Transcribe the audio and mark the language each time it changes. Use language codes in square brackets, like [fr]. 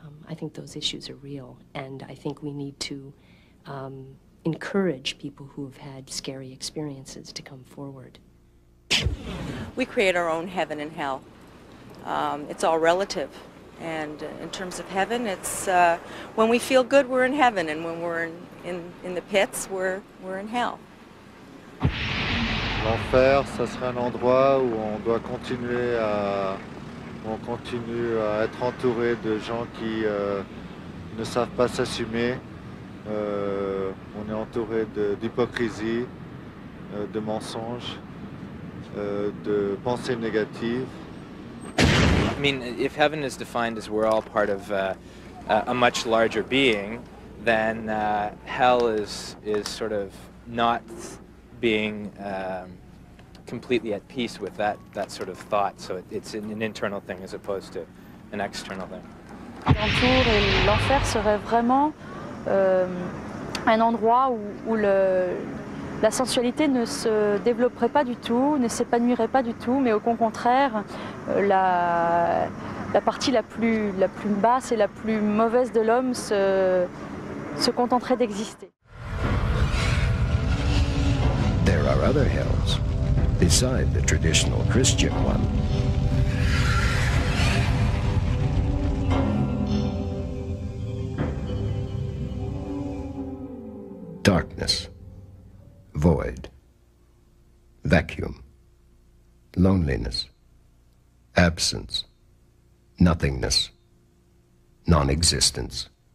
[en] I think those issues are real, and I think we need to encourage people who have had scary experiences to come forward. We create our own heaven and hell. It's all relative. And in terms of heaven, it's when we feel good, we're in heaven, and when we're in the pits, we're in hell. [fr] L'enfer, ça serait un endroit où on doit continuer à où on continue à être entouré de gens qui ne savent pas s'assumer. On est entouré d'hypocrisie, de mensonges, de pensées négatives. [en] I mean, if heaven is defined as we're all part of a much larger being, then hell is sort of not being completely at peace with that sort of thought. So it's an internal thing as opposed to an external thing. [fr] L'enfer et l'enfer serait vraiment un endroit où la sensualité ne se développerait pas du tout, ne s'épanouirait pas du tout, mais au contraire, la partie la plus basse et la plus mauvaise de l'homme se contenterait d'exister. [en] There are other hells beside the traditional Christian one. Darkness, void, vacuum, loneliness, absence, nothingness, non-existence.